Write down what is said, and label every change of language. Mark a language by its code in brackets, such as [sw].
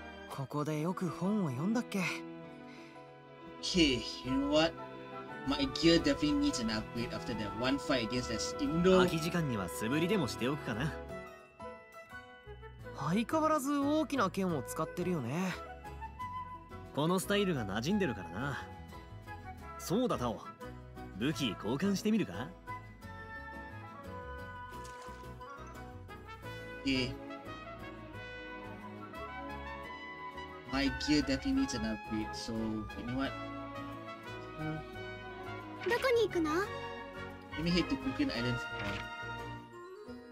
[ja] ここでよく本を読んだっけ？ [en] Okay, you know what? My gear definitely needs an upgrade after that one fight against that steam door. [ja] 空き時間には素振りでもしておくかな。相変わらず大きな剣を使ってるよね。このスタイルが馴染んでるからな。そうだタオ、武器交換してみるか。 [en] え、My gear definitely needs an upgrade, so you know what? [ja] どこに行くの？ [en] Let me head to Broken Island for now.